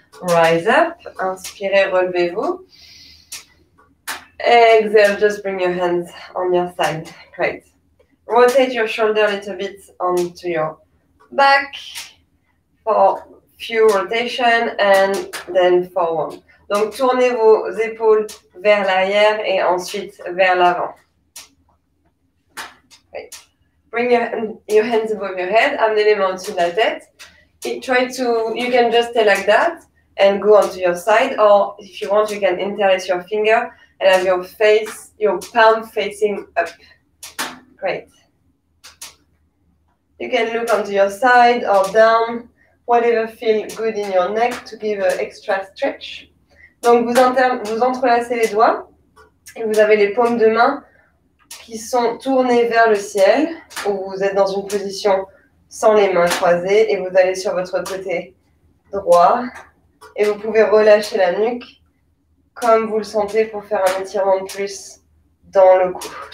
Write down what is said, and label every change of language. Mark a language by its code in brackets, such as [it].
[en] Rise up, [fr] inspirez, relevez-vous. [en] Exhale, just bring your hands on your side. Great. Rotate your shoulder a little bit onto your back for few rotation and then forward. [fr] Donc tournez vos épaules vers l'arrière et ensuite vers l'avant. [en] Great. Bring your hands above your head, [fr] amenez les mains au-dessus de la tête. [en] You can just stay like that. And go onto your side, or if you want, you can interlace your finger and have your palm facing up. Great. You can look onto your side or down, whatever feels good in your neck to give an extra stretch. [fr] Donc vous entrelacez les doigts et vous avez les paumes de main qui sont tournées vers le ciel, où vous êtes dans une position sans les mains croisées et vous allez sur votre côté droit. Et vous pouvez relâcher la nuque comme vous le sentez pour faire un étirement de plus dans le cou.